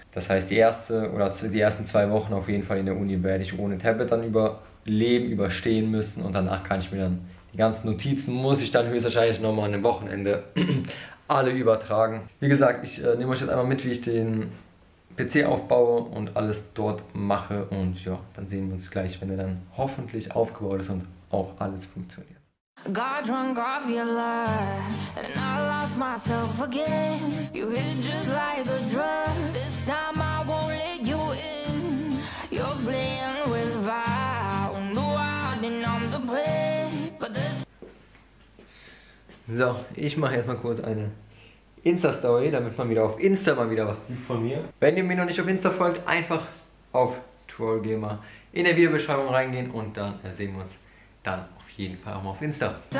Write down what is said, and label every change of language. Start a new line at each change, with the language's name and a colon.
German: Das heißt, die ersten zwei Wochen auf jeden Fall in der Uni werde ich ohne Tablet dann überstehen müssen und danach kann ich mir dann die ganzen Notizen, muss ich dann höchstwahrscheinlich nochmal an dem Wochenende alle übertragen. Wie gesagt, ich nehme euch jetzt einmal mit, wie ich den PC aufbaue und alles dort mache und ja, dann sehen wir uns gleich, wenn er dann hoffentlich aufgebaut ist und auch alles funktioniert.
English: Got drunk off your love, and I lost myself again. You hit just like a drug. This time I won't let you in. You're playing with fire, no wild and I'm the prey. But this.
German: So, ich mache jetzt mal kurz eine Insta-Story, damit man wieder auf Insta mal wieder was sieht von mir. Wenn ihr mir noch nicht auf Insta folgt, einfach auf TrollGamer in der Videobeschreibung reingehen und dann sehen wir uns dann. Jeden Fall auch mal auf Insta.